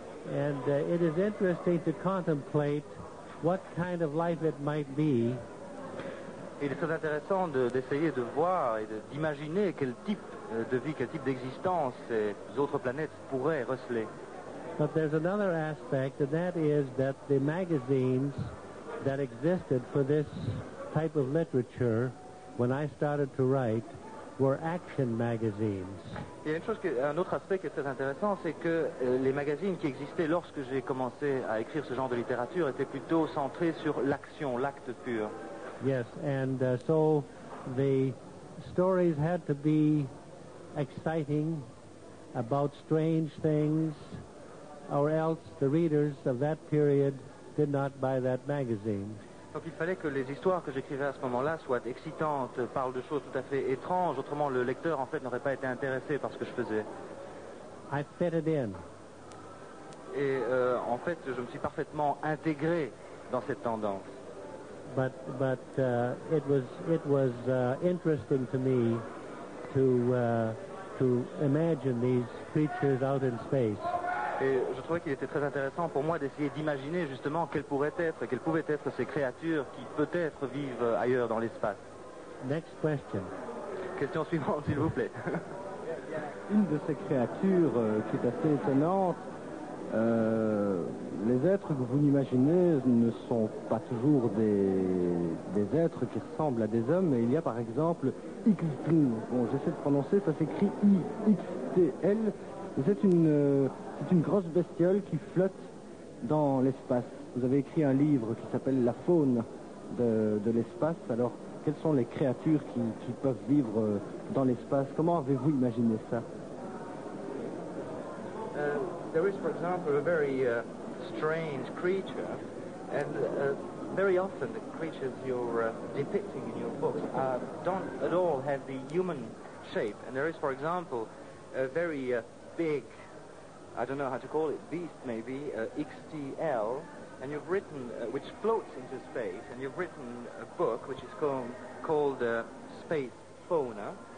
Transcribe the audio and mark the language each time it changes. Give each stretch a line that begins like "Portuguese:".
English: And it is interesting to contemplate what kind of life it might be.
French: Il est très intéressant d'essayer de voir et d'imaginer quel type de vie, quel type d'existence ces autres planètes pourraient receler.
English: But there's another aspect, and that is that the magazines that existed for this type of literature when I started to write were action magazines.
French: Il y a un autre aspect qui est très intéressant, c'est que les magazines qui existaient lorsque j'ai commencé à écrire ce genre de littérature étaient plutôt centrés sur l'action, l'acte pur.
English: Yes, and so the stories had to be exciting, about strange things, or else the readers of that period did not buy that magazine.
French: Donc il fallait que les histoires que j'écrivais à ce moment-là soient excitantes, parlent de choses tout à fait étranges, autrement le lecteur en fait n'aurait pas été intéressé par ce que je faisais.
English: I fit it in.
French: Et en fait, je me suis parfaitement intégré dans cette tendance.
English: But it was interesting to me to imagine these creatures out in space.
French: Et je trouvais qu'il était très intéressant pour moi d'essayer d'imaginer justement quelles pouvaient être ces créatures qui peut-être vivent ailleurs dans l'espace.
English: Next question.
French: Question suivante, s'il vous plaît. Une de ces créatures qui est assez étonnante, les êtres que vous imaginez ne sont pas toujours des êtres qui ressemblent à des hommes, mais il y a par exemple X-Tl. Bon, j'essaie de prononcer, ça s'écrit I-X-T-L. C'est une grosse bestiole qui flotte dans l'espace. Vous avez écrit un livre qui s'appelle La faune de l'espace. Alors, quelles sont les créatures qui peuvent vivre dans l'espace? Comment avez-vous imaginé ça?
English: There is, for example, a very strange creature. And very often, the creatures you're depicting in your books don't at all have the human shape. And there is, for example, a very big, I don't know how to call it, beast maybe, XTL, and you've written, which floats into space, and you've written a book which is called Space Fauna,